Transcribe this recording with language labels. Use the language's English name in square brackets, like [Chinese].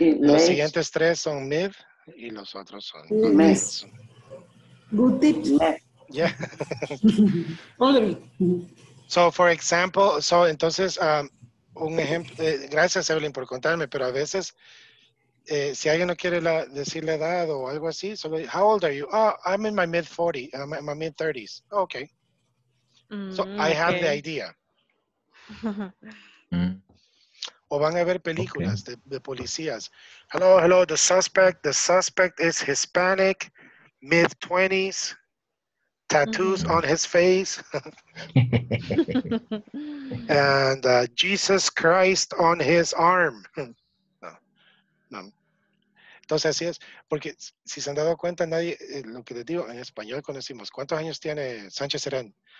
[Spanish] Los siguientes tres son mid y los otros son [English] mes. Good tip. Yeah. So for example, so [Spanish] entonces un ejemplo, gracias Evelyn por contarme, pero a veces si alguien no quiere la, decir la edad o algo así, solo, [English] how old are you? Oh, I'm in my mid 40, I'm in my mid 30s. Okay. So I have the idea. [Spanish] O van a ver películas de policías. [English] Hello, hello, the suspect is Hispanic, mid 20s, tattoos on his face, and Jesus Christ on his arm. [Spanish] No. Entonces así es, porque si se han dado cuenta, nadie, lo que les digo, en español cuando decimos, ¿cuántos años tiene Sánchez Serén?